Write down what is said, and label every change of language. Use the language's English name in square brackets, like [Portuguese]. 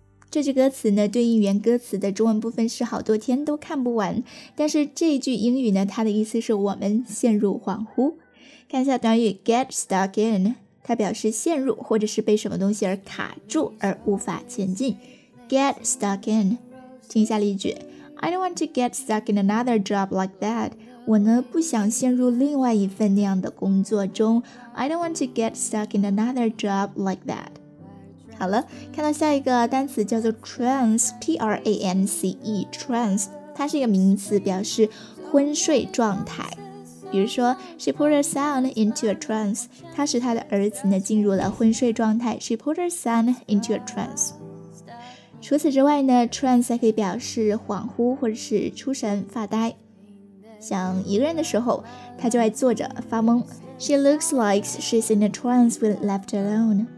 [Chinese] 这句歌词呢，对应原歌词的中文部分是好多天都看不完，但是这一句英语呢，它的意思是我们陷入恍惚。看一下短语 get stuck in。它表示陷入或者是被什么东西而卡住而无法前进。 [English] Get stuck in, [Chinese] 听一下例句， [English] I don't want to get stuck in another job like that. [Chinese] 我呢不想陷入另外一份那样的工作中。 [English] I don't want to get stuck in another job like that. [Chinese] 好了，看到下一个单词叫做 trance, T-R-A-N-C-E, trance, 它是一个名词，表示昏睡状态。比如说 [English] She put her son into a trance, [Chinese] 她使她的儿子呢进入了昏睡状态。 [English] She put her son into a trance. [Chinese] 除此之外呢， trance 还可以表示恍惚或者是出神发呆。想一个人的时候，她就爱坐着发懵。 [English] She looks like she's in a trance when left alone.